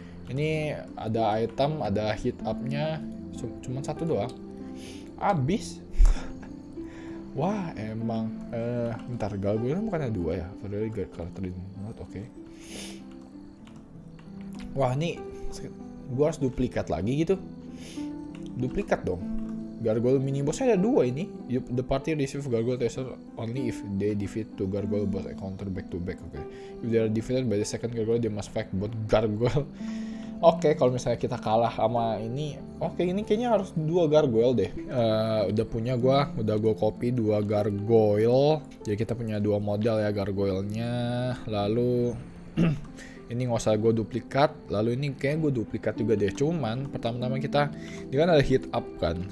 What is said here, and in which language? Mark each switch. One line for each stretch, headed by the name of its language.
Indonesian: Ini ada item, ada hit up-nya cuma satu doang. Abis. Wah, emang bentar, gargoyle-nya bukannya dua ya? Padahal Gargoyle-nya
English: not okay.
Indonesian: Wah, ini gua harus duplikat lagi gitu. Duplikat dong. Gargoyle mini boss-nya ada dua ini.
English: The party receive gargoyle treasure only if they defeat two gargoyle boss encounter back to back, oke. Okay. If they are defeated by the second gargoyle, they must fight both gargoyle.
Indonesian: Oke, okay, kalau misalnya kita kalah sama ini, Oke, ini kayaknya harus dua gargoyle deh. Udah punya gue, udah gue copy dua gargoyle. Jadi kita punya dua model ya gargoylenya. Lalu ini nggak usah gue duplikat. Lalu ini kayaknya gue duplikat juga deh. Cuman pertama-tama kita, ini kan ada hit up kan.